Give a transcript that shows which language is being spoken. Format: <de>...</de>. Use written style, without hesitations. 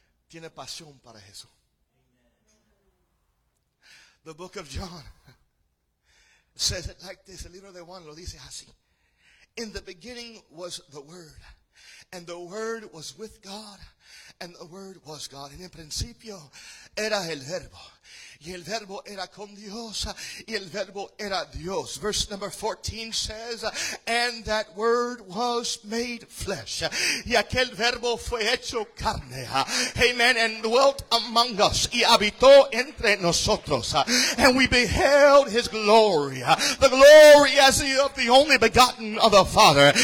<es>Tiene pasión para Jesús.</es> <en>The book of John says it like this.</en> <es>El libro de Juan lo dice así.</es> <en>In the beginning was the Word, and the Word was with God, and the Word was God.</en> <es>En el principio era el Verbo, y el Verbo era con Dios, y el Verbo era Dios.</es> <en>Verse number 14 says, and that Word was made flesh.</en> <es>Y aquel Verbo fue hecho carne. Amen.</es> <en>And dwelt among us.</en> <es>Y habitó entre nosotros.</es> <en>And we beheld his glory. The glory as of the only begotten of the Father.</en>